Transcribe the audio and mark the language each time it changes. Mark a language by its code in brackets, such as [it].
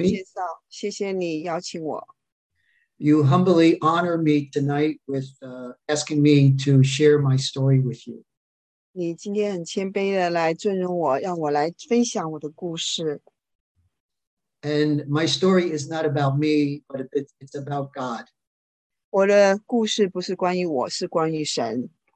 [zh] 谢谢介绍，谢谢你邀请我。 [en] You humbly honor me tonight with asking me to share my story with you. [zh] 你今天很谦卑的来尊重我，让我来分享我的故事。 [en] And my story is not about me, but it's about God. [zh] 我的故事不是关于我，是关于神。